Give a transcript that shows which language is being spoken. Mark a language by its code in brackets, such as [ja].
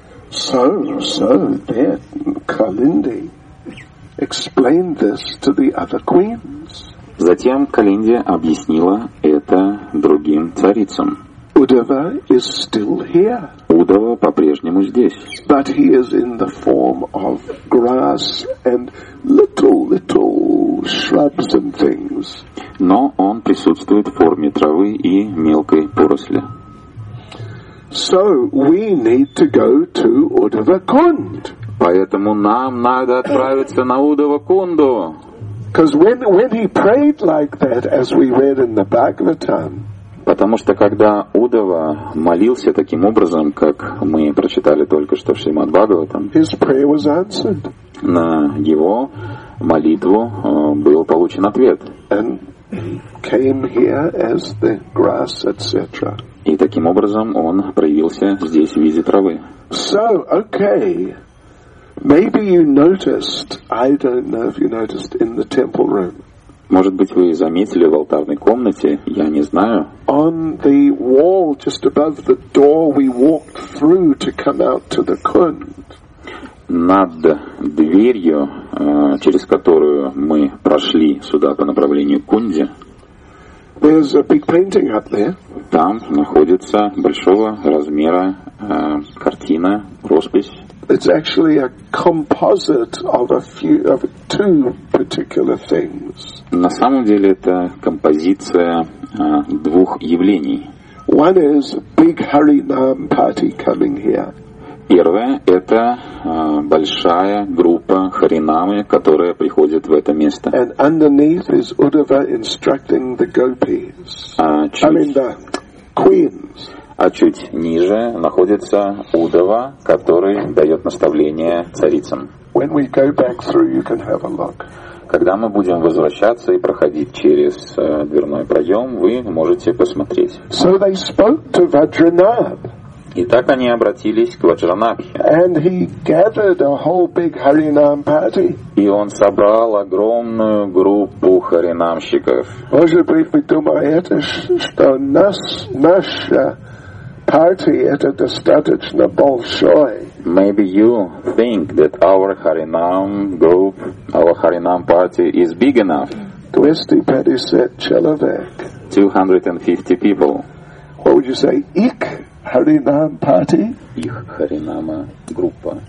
[en] So then, Kalindi, explain this to the other queens. [ru] Затем Калинди объяснила это другим царицам. [en] Uddhava is still here. [ru] Uddhava по-прежнему здесь. [en] But he is in the form of grass and little shrubs and things. [ru] Но он присутствует в форме травы и мелкой поросли. [en] So we need to go to Uddhava Kund. [ru] Поэтому нам надо отправиться на Uddhava Kundu. [en] Because when he prayed like that, as we read in the Bhagavatam, [ru] потому что когда Удава молился таким образом, как мы прочитали только что в Шримад Бхагаватам, [en] his prayer was answered. [ru] На его молитву был получен ответ. [en] And came here as the grass, etc. [ru] И таким образом он проявился здесь в виде травы. [en] So, okay. Maybe you noticed, I don't know if you noticed, in the temple room. [ru] Может быть, вы заметили в алтарной комнате, я не знаю. [en] On the wall, just above the door we walked through to come out to the Kund. [ru] Над дверью, через которую мы прошли сюда по направлению к Кунде, [en] there's a big painting up there. [ru] Там находится большого размера картина, роспись. [en] It's actually a composite of two particular things. [ru] На самом деле это композиция двух явлений. [en] One is big Harinam party coming here. [ru] Первое это большая группа Харинамы, которая приходит в это место. [en] And underneath is Uddhava instructing the gopis. The queens. [ru] А чуть ниже находится Удава, который дает наставление царицам. [en] When we go back through, you can have a look. [ru] Когда мы будем возвращаться и проходить через дверной проем, вы можете посмотреть. [en] So they spoke to Vajranab. [ru] И так они обратились к Ваджранабхе. [en] And he gathered a whole big Harinam party. [ru] И он собрал огромную группу харинамщиков. Может быть, вы думаете, что наша party это достаточно большой. [en] Maybe you think that our Harinam group, our Harinam party is big enough. 250 people. What would you say? [ru] Их Харинам [en] party? [ru] Их Харинама группа.